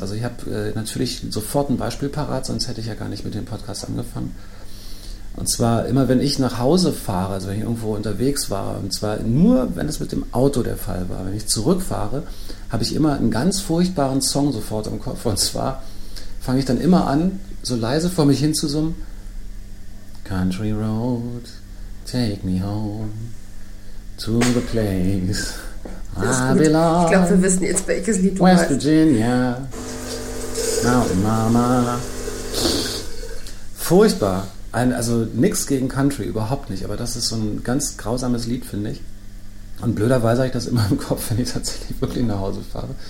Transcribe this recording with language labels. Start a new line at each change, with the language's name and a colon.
German: Also ich habe natürlich sofort ein Beispiel parat, sonst hätte ich ja gar nicht mit dem Podcast angefangen. Und zwar immer, wenn ich nach Hause fahre, also wenn ich irgendwo unterwegs war, und zwar nur, wenn es mit dem Auto der Fall war, wenn ich zurückfahre, habe ich immer einen ganz furchtbaren Song sofort im Kopf. Und zwar fange ich dann immer an, so leise vor mich hin zu summen.
English: Country Road, take me home to the place I belong.
German: Ich glaube, wir wissen jetzt, welches Lied du
English: West Virginia, Mountain Mama. Furchtbar.
German: Also nichts gegen Country, überhaupt nicht. Aber das ist so ein ganz grausames Lied, finde ich. Und blöderweise habe ich das immer im Kopf, wenn ich tatsächlich wirklich nach Hause fahre.